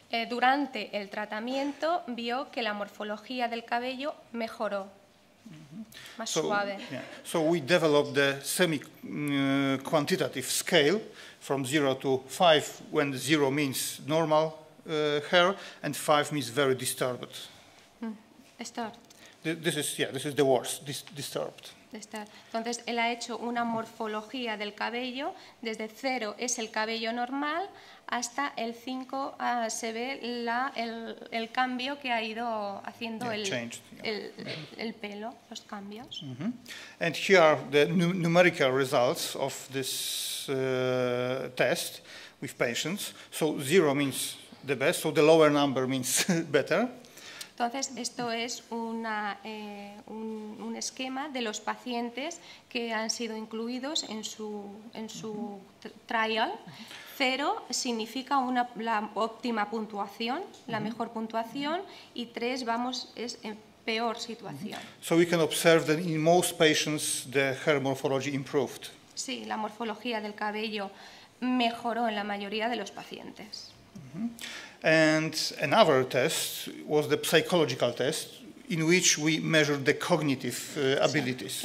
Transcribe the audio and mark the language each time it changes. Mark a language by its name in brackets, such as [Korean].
[Spanish] Durante el tratamiento, vio que la morfología del cabello mejoró, mm-hmm. más so, suave. Yeah. [English] So we developed the semi-quantitative scale from 0 to 5, when 0 means normal hair and 5 means very disturbed. Disturbed. This is, yeah, this is the worst, disturbed. [Spanish] Entonces, él ha hecho una morfología del cabello, desde cero es el cabello normal, hasta el 5 se ve el cambio que ha ido haciendo el pelo, los cambios. Mm-hmm. [English] And here are the numerical results of this test with patients. So zero means the best, so the lower number means better. [Spanish] Entonces, esto es una, un esquema de los pacientes que han sido incluidos en su trial. Cero significa una, la óptima puntuación, la mejor puntuación, y tres vamos, es en peor situación. [English] So we can observe that in most patients the hair morphology improved. [Spanish] Sí, la morfología del cabello mejoró en la mayoría de los pacientes. [English] And another test was the psychological test, in which we measured the cognitive abilities.